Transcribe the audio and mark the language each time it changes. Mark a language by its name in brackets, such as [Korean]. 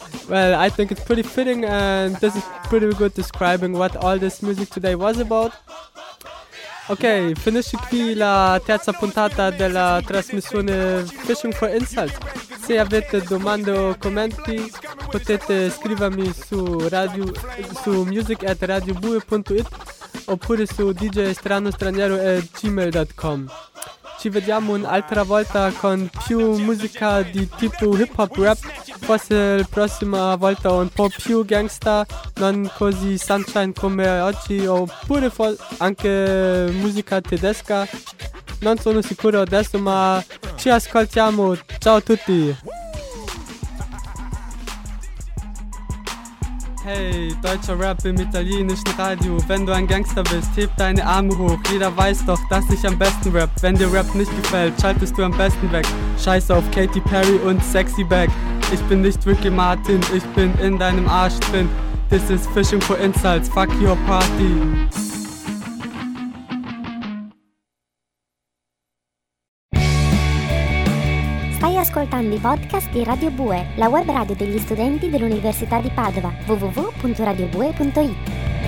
[English] Well, I think it's pretty fitting, and this is pretty good describing what all this music today was about. [Italian] Okay, finisci qui la terza puntata della trasmissione Fishing for Insights. Se avete domande o commenti, potete scrivermi su radio, su music@radiobue.it oppure su djstranostraniero@gmail.com. Ci vediamo un'altra volta con più musica di tipo hip-hop rap, forse la prossima volta un po' più gangsta, non così sunshine come oggi, oppure anche musica tedesca, non sono sicuro adesso, ma ci ascoltiamo, ciao a tutti! [German] Hey, deutscher Rap im italienischen Radio. Wenn du ein Gangster bist, heb deine Arme hoch. Jeder weiß doch, dass ich am besten rap. Wenn dir Rap nicht gefällt, schaltest du am besten weg. Scheiße auf Katy Perry und Sexy Back. Ich bin nicht Ricky Martin, ich bin in deinem Arsch drin. [English] This is Fishing for Insults, fuck your party. [Italian] Stai ascoltando i podcast di Radio Bue, la web radio degli studenti dell'Università di Padova, www.radiobue.it.